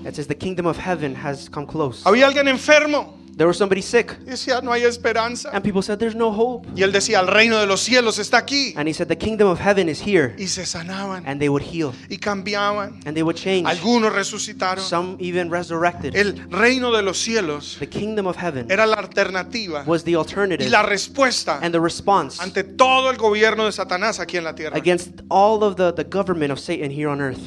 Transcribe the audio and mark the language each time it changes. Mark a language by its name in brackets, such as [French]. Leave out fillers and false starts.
[English] It says the kingdom of heaven has come close. [Spanish] Había alguien enfermo. [English] There was somebody sick. [Spanish] Y decía, no hay esperanza. [English] And people said, there's no hope. [Spanish] Y él decía, el reino de los cielos está aquí. [English] And he said, the kingdom of heaven is here. [Spanish] Y se sanaban. [English] And they would heal. [Spanish] Y cambiaban. [English] And they would change. [Spanish] Algunos resucitaron. [English] Some even resurrected. [Spanish] El reino de los cielos, [English] the kingdom of heaven, [Spanish] era la alternativa. [English] Was the alternative. [Spanish] Y la respuesta, [English] and the response, [Spanish] ante todo el gobierno de Satanás aquí en la tierra. [English] Against all of the government of Satan here on earth.